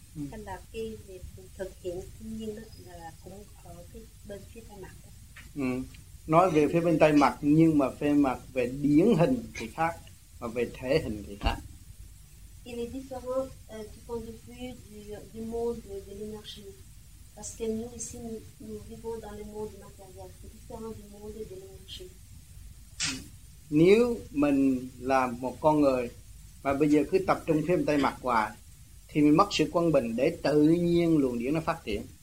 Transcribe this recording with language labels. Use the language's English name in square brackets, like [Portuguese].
[Vietnamese] Thành là khi việc thực hiện thiên nhiên đó là cũng ở cái bên phía tay mặt đó. Nói về phía bên tay mặt nhưng mà phía mặt về điển hình thì khác và về thể hình thì khác. [French] Il est différent du point de vue du monde de l'énergie parce que nous ici nous vivons dans le monde matériel, c'est différent du monde de l'énergie. [Vietnamese] Nếu mình là một con người mà bây giờ cứ tập trung phía bên tay mặt hoài thì mình mất sự quân bình để tự nhiên luồng điển nó phát triển.